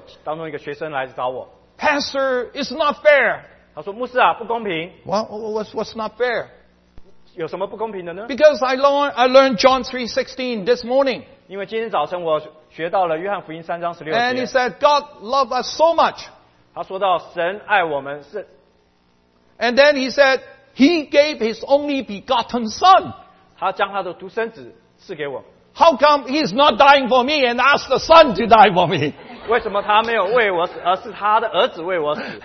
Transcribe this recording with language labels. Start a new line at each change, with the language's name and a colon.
Chinese: 在儿童主日学完了以后，当中一个学生来找我。
English: Pastor, it's not fair.
Chinese: 他说：“牧师啊，不公平。”
English: What's not fair?
Chinese: 有什么不公平的呢？
English: Because I learned John 3:16 this morning.
Chinese: 因为今天早晨我学到了约翰福音3章16节。
English: And he said, God loved us so much.
Chinese: 他说到神爱我们是。
English: And then he said, He gave His only begotten Son.
Chinese: 他将他的独生子赐给我。
English: How come He is not dying for me and ask the Son to die for me?
Chinese: 为什么他没有为我死，而是他的儿子为我死？